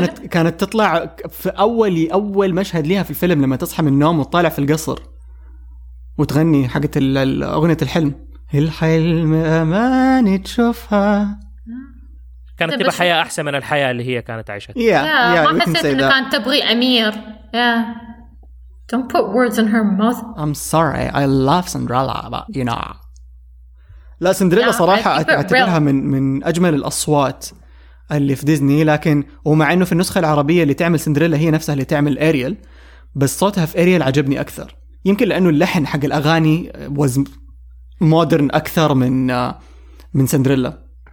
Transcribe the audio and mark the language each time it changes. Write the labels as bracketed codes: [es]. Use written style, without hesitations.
[ar] كانت تطلع في أول مشهد لها في الفيلم لما تصحى من النوم وتطالع في القصر وتغني حقت أغنية الحلم. الحلم أمان تشوفها. كانت تبغى حياة أحسن من الحياة اللي هي كانت عايشة. ما حسيت إنه كانت تبغي أمير. [en] Don't put words in her mouth. I'm sorry. I love Cinderella, but you know. [ar] لا سندريلا صراحة أعتبرها من أجمل الأصوات اللي في ديزني. لكن ومع إنه في النسخة العربية اللي تعمل سندريلا هي نفسها اللي تعمل أريال، بس صوتها في أريال عجبني أكثر. يمكن لأنه اللحن حق الأغاني وزن مودرن أكثر من سندريلا.